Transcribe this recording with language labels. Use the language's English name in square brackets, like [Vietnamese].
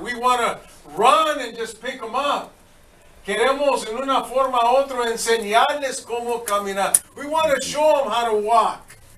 [English] We want to run and just pick them up. [Spanish] Queremos en una forma u otra enseñarles cómo caminar. [English] We want to show them how to walk.